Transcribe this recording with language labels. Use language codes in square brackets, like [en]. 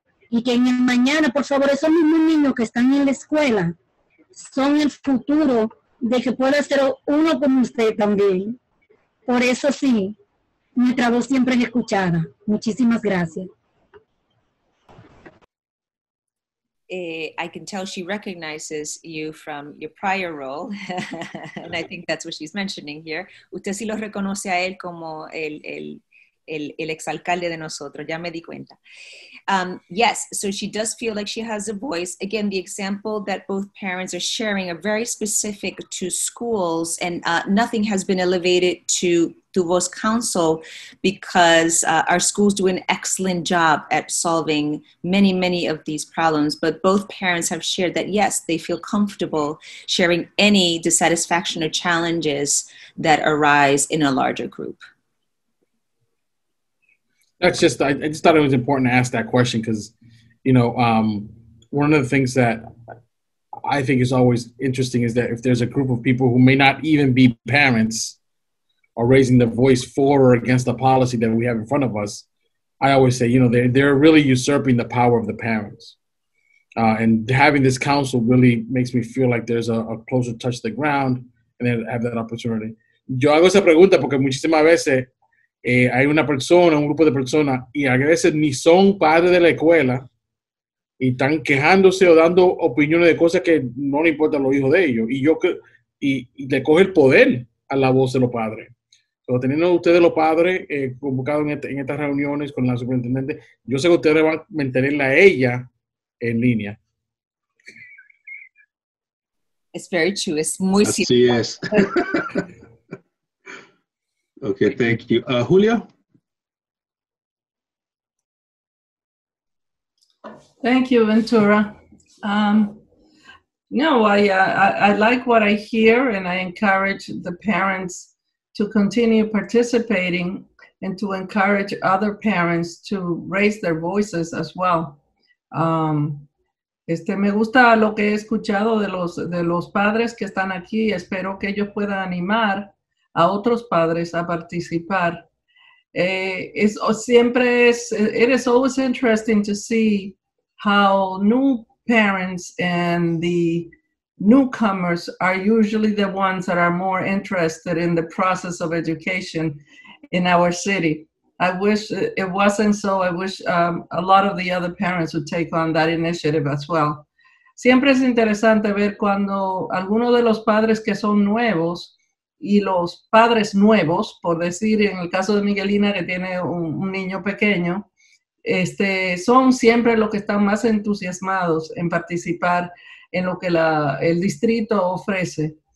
[es] Y que en el mañana, por favor, esos mismos niños que están en la escuela son el futuro de que pueda ser uno como usted también. Por eso sí, nuestra voz siempre es escuchada. Muchísimas gracias. [en] I can tell she recognizes you from your prior role. And I think that's what she's mentioning here. [es] Usted sí lo reconoce a él como el exalcalde de nosotros, ya me di cuenta. [en] Yes, so she does feel like she has a voice. Again, the example that both parents are sharing are very specific to schools, and nothing has been elevated to Tuvo's council because our schools do an excellent job at solving many, many of these problems. But both parents have shared that, yes, they feel comfortable sharing any dissatisfaction or challenges that arise in a larger group. That's just, I just thought it was important to ask that question because, you know, one of the things that I think is always interesting is that if there's a group of people who may not even be parents are raising their voice for or against the policy that we have in front of us, I always say, you know, they're really usurping the power of the parents. And having this council really makes me feel like there's a closer touch to the ground and then have that opportunity. [es] yo hago esa pregunta porque muchísimas veces hay una persona, un grupo de personas, y a veces ni son padres de la escuela y están quejándose o dando opiniones de cosas que no le importan a los hijos de ellos. Y yo y le coge el poder a la voz de los padres. Pero teniendo ustedes los padres convocados en estas reuniones con la superintendente, yo sé que ustedes van a mantenerla a ella en línea. [en] It's very true. It's [es] muy así cierto. Así es. [en] Okay, thank you. Julia? Thank you, Ventura. I like what I hear, and I encourage the parents to continue participating and to encourage other parents to raise their voices as well. [es] Me gusta lo que he escuchado de los padres que están aquí. Espero que ellos puedan animar a otros padres a participar. [en] It is always interesting to see how new parents and the newcomers are usually the ones that are more interested in the process of education in our city. I wish it wasn't so. I wish a lot of the other parents would take on that initiative as well. [es] Siempre es interesante ver cuando alguno de los padres que son nuevos y los padres nuevos, por decir, en el caso de Miguelina, que tiene un niño pequeño, son siempre los que están más entusiasmados en participar en lo que el distrito ofrece.